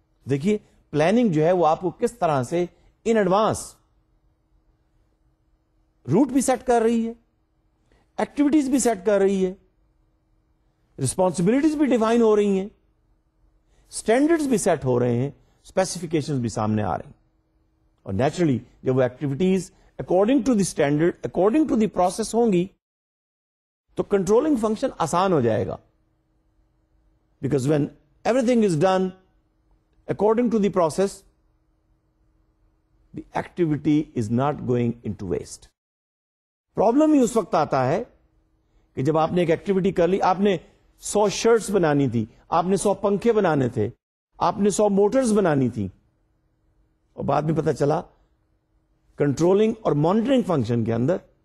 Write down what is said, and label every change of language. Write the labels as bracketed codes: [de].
[ur] دیکھیے پلاننگ جو ہے وہ آپ کو کس طرح سے ان ایڈوانس روٹ بھی سیٹ کر رہی ہے، ایکٹیویٹیز بھی سیٹ کر رہی ہے، ریسپانسبلٹیز بھی ڈیفائن ہو رہی ہیں، اسٹینڈرڈز بھی سیٹ ہو رہے ہیں، اسپیسیفکیشنز بھی سامنے آ رہی ہیں. اور نیچرلی جب وہ activities according to the standard according to the process ہوں گی تو کنٹرولنگ فنکشن آسان ہو جائے گا، [en] Because when everything is done according to the process, the activity is not going into waste. [ur] Problem ہی اس وقت آتا ہے کہ جب آپ نے ایک ایکٹیویٹی کر لی, آپ نے 100 shirts بنانی تھی, آپ نے 100 پنکھے بنانے تھے, آپ نے 100 موٹرز بنانی تھی, اور بعد میں پتا چلا کنٹرولنگ اور مانیٹرنگ فنکشن کے اندر